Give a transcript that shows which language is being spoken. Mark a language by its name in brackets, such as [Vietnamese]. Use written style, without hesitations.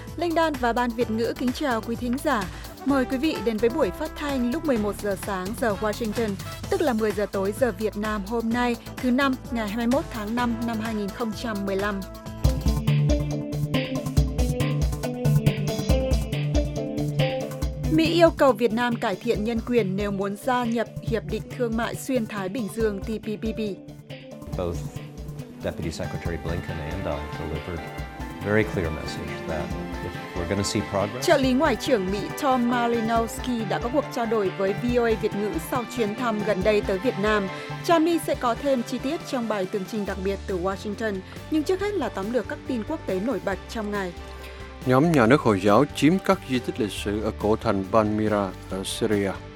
[Vietnamese] Linh Đan và Ban Việt Ngữ kính chào quý thính giả. Mời quý vị đến với buổi phát thanh lúc 11 giờ sáng giờ Washington, tức là 10 giờ tối giờ Việt Nam hôm nay, thứ Năm, ngày 21 tháng 5 năm 2015. Mỹ yêu cầu Việt Nam cải thiện nhân quyền nếu muốn gia nhập Hiệp định Thương mại Xuyên Thái Bình Dương TPP. [English] Both Deputy Secretary Blinken and I delivered very clear message that if we're going to see progress. [Vietnamese] Trợ lý Ngoại trưởng Mỹ Tom Malinowski đã có cuộc trao đổi với VOA Việt ngữ sau chuyến thăm gần đây tới Việt Nam. Cha My sẽ có thêm chi tiết trong bài tường trình đặc biệt từ Washington, nhưng trước hết là tóm lược các tin quốc tế nổi bật trong ngày. Nhóm nhà nước Hồi giáo chiếm các di tích lịch sử ở cổ thành Palmyra ở Syria.